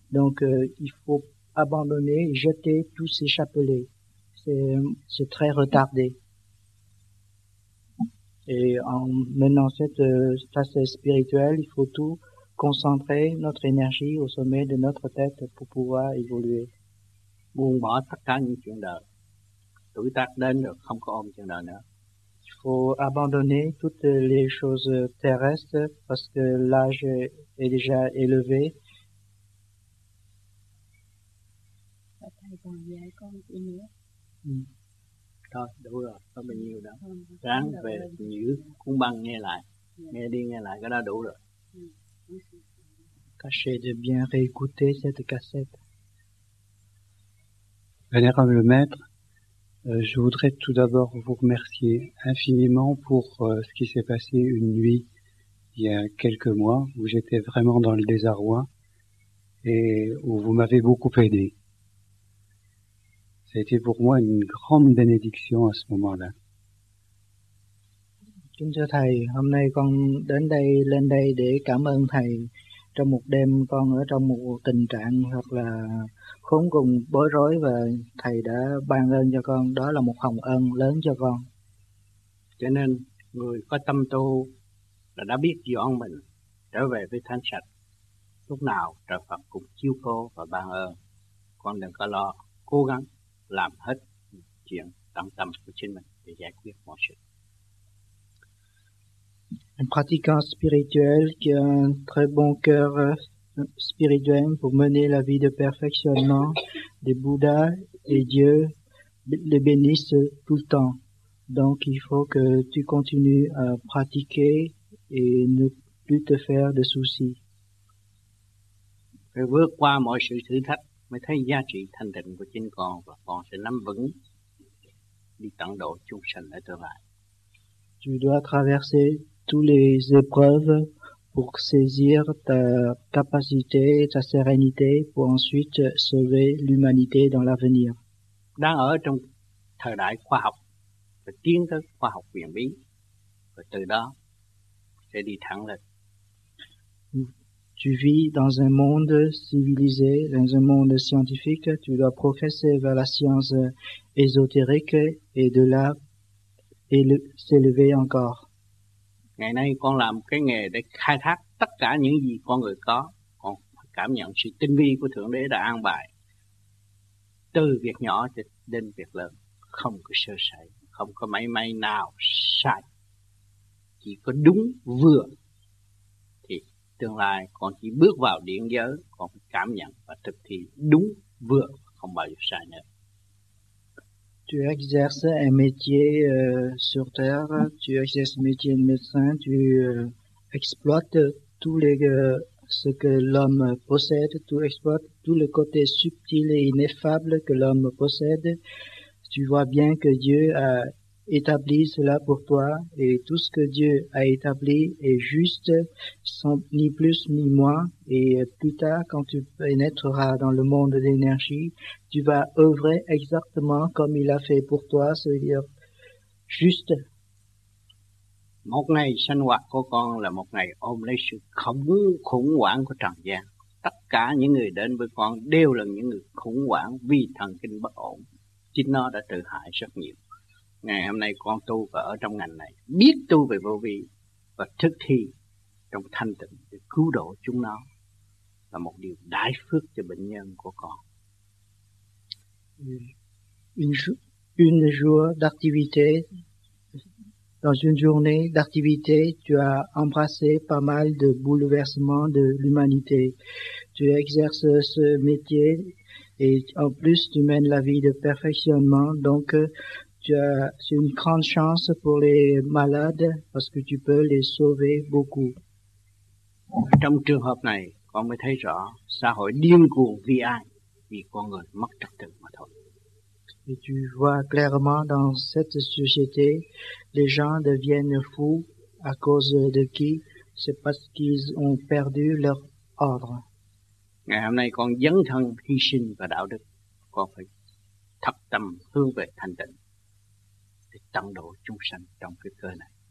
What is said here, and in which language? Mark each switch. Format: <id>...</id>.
<fr>Donc, il faut abandonner, jeter tous ces chapelets. C'est très retardé. Et en menant cette ascèse spirituelle, il faut tout concentrer notre énergie au sommet de notre tête pour pouvoir évoluer.</fr> <vi>Buông bỏ tất cả những chuyện đời. Tuổi tác đến rồi, không có ôm chuyện đời nữa.</vi> <fr>Faut abandonner toutes les choses terrestres parce que l'âge est déjà élevé.</fr> <vi>Thôi, đủ rồi, không bao nhiêu đâu. Ráng về giữ cuốn băng nghe lại, nghe đi nghe lại, cái đó đủ rồi.</vi> <fr>Tâchez de bien réécouter cette cassette. Vénérable maître, je voudrais tout d'abord vous remercier infiniment pour ce qui s'est passé une nuit il y a quelques mois où j'étais vraiment dans le désarroi et où vous m'avez beaucoup aidé. Ça a été pour moi une grande bénédiction à ce moment-là.</fr> <vi>Kính thưa thầy, hôm nay con đến đây lên đây để cảm ơn thầy. Trong một đêm con ở trong một tình trạng hoặc là khốn cùng bối rối và thầy đã ban ơn cho con, đó là một hồng ân lớn cho con. Cho nên người có tâm tu là đã biết dọn mình trở về với thanh sạch, lúc nào trời Phật cũng chiếu cố và ban ơn. Con đừng có lo, cố gắng làm hết chuyện tâm tâm của chính mình để giải quyết mọi sự.</vi> <fr>Un pratiquant spirituel qui a un très bon cœur spirituel pour mener la vie de perfectionnement des Bouddhas et Dieu les bénisse tout le temps. Donc il faut que tu continues à pratiquer et ne plus te faire de soucis.</fr> <vi>Phải vượt qua mọi sự thử thách mới thấy giá trị thanh tịnh của chính con và con sẽ nắm vững đi tận độ chúng sanh ở tương lai.</vi> <fr>Tu dois traverser toutes les épreuves pour saisir ta capacité, ta sérénité, pour ensuite sauver l'humanité dans l'avenir.</fr> <vi>Đang ở trong thời đại khoa học và tiến tới khoa học huyền bí, và từ đó sẽ đi thẳng lên.</vi> <fr>Tu vis dans un monde civilisé, dans un monde scientifique. Tu dois progresser vers la science ésotérique et de là s'élever encore.</fr> <vi>Ngày nay con làm cái nghề để khai thác tất cả những gì con người có. Con cảm nhận sự tinh vi của Thượng Đế đã an bài. Từ việc nhỏ đến việc lớn, không có sơ sẩy, không có mảy may nào sai. Chỉ có đúng vừa. Thì tương lai con chỉ bước vào điện giới, con cảm nhận và thực thi đúng vừa, không bao giờ sai nữa.</vi> <fr>Tu exerces un métier sur terre, tu exerces le métier de médecin, tu exploites tout ce que l'homme possède, tu exploites tout le côté subtil et ineffable que l'homme possède. Tu vois bien que Dieu a établi cela pour toi et tout ce que Dieu a établi est juste, sans ni plus ni moins. Et plus tard, quand tu pénétreras dans le monde d'énergie, tu vas œuvrer exactement comme il a fait pour toi, c'est-à-dire juste.</fr> <vi>Một ngày sinh hoạt của con là một ngày ôm lấy sự khủng hoảng của trần gian. Tất cả những người đến với con đều là những người khủng hoảng vì thần kinh bất ổn. Chính nó đã tự hại rất nhiều. Ngày hôm nay con tu và ở trong ngành này, biết tu về vô vi và thực thi trong thanh tịnh để cứu độ chúng nó là một điều đại phước cho bệnh nhân của con.</vi> <fr>Une jour d'activité, dans une journée d'activité, tu as embrassé pas mal de bouleversements de l'humanité. Tu exerces ce métier et en plus tu mènes la vie de perfectionnement, donc c'est une grande chance pour les malades parce que tu peux les sauver beaucoup.</fr> <vi>Trong trường hợp này, con mới thấy rõ xã hội điên cuồng vì ai? Vì con người mất trật tự mà thôi.</vi> <fr>Et tu vois clairement dans cette société, les gens deviennent fous à cause de qui? C'est parce qu'ils ont perdu leur ordre.</fr> <vi>Ngày hôm nay, con dấn thân hy sinh và đạo đức. Con phải thập tâm hướng về thanh tịnh để tăng độ chúng sanh trong cái cơ này.</vi>